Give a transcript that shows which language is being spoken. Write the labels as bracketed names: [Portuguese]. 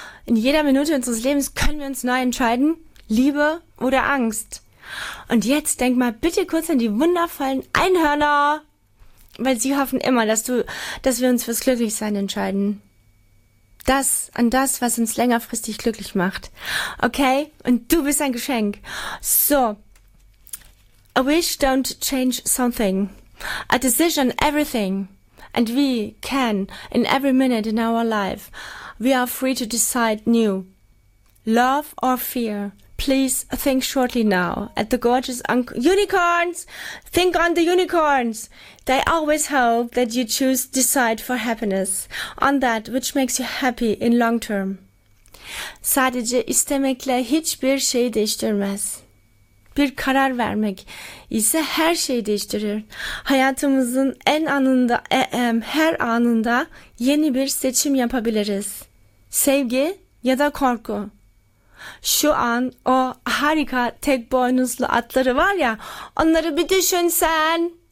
[German] In jeder Minute unseres Lebens können wir uns neu entscheiden, Liebe oder Angst. Und jetzt denk mal bitte kurz an die wundervollen Einhörner, weil sie hoffen immer, dass wir uns fürs Glücklichsein entscheiden. Das an das, was uns längerfristig glücklich macht. Okay? Und du bist ein Geschenk. So. [English] A wish don't change something. A decision everything. And we can in every minute in our life. We are free to decide new. Love or fear. Please think shortly now at the gorgeous unicorns. Think on the unicorns. They always hope that you choose decide for happiness on that which makes you happy in long term. [Turkish] Sadece istemekle hiçbir şey değiştirmez. Bir karar vermek ise her şeyi değiştirir. Hayatımızın her anında yeni bir seçim yapabiliriz. Sevgi ya da korku. Şu an o harika tek boynuzlu atları var ya, onları bir düşün sen.